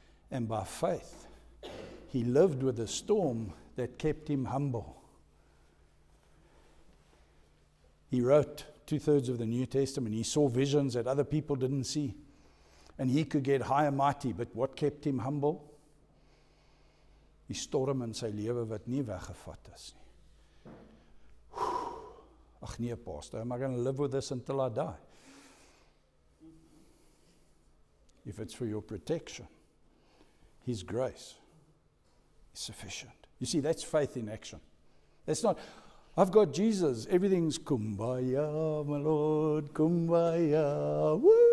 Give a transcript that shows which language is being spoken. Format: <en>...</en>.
<en>And by faith, he lived with a storm that kept him humble. He wrote 2/3 of the New Testament. He saw visions that other people didn't see. And he could get high and mighty, but what kept him humble?</en> <af>Die storm in sy lewe wat nie weggevat is nie. Ach nee,</af> <en>pastor, am I going to live with this until I die? If it's for your protection, his grace is sufficient. You see, that's faith in action. That's not, I've got Jesus, everything's kumbaya, my Lord, kumbaya, woo!</en>